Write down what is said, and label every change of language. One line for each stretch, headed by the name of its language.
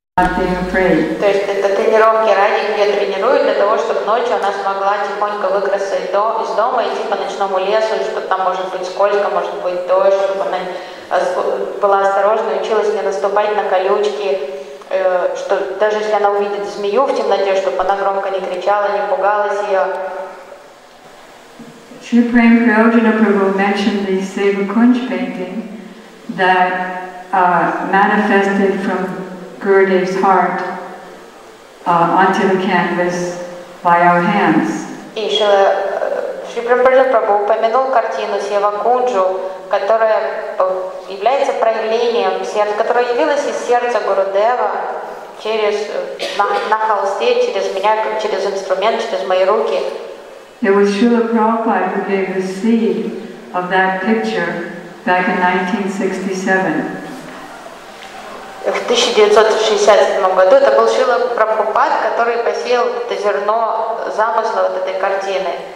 Russian: То есть это тренировки ради, где тренируют для того, чтобы ночью она смогла тихонько выкрасться из дома, идти по ночному лесу, что там может быть скользко, может быть дождь, чтобы она была осторожна, училась не наступать на колючки, что даже если она увидит змею в темноте, чтобы она громко не кричала, не пугалась ее.
English: Sri Prem Prayojana Prabhu mentioned the Seva Kunj painting that manifested from Gurudev's heart onto the canvas by our hands.
Russian: И Шри Прабху упомянул картину Сева Кунджу, которая является проявлением сердца, которая явилась из сердца Гурудева через на холсте, через меня, через инструмент, через мои руки.
English: It was Srila Prabhupada who gave the seed of that picture back in 1967.
Russian: В 1967 году это был Шрила Прабхупад, который посеял это зерно замысла вот этой картины.